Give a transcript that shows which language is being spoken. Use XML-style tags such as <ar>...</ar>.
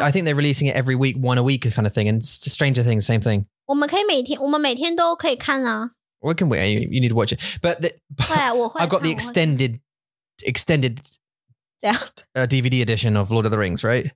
<en>I think they're releasing it every week one a week kind of thing and Stranger Things same thing</en> <zh>我们可以每天，我们每天都可以看啊。</zh> <en>We can wait. You need to watch it. But I got the extended A DVD edition of Lord of the Rings, right?</en>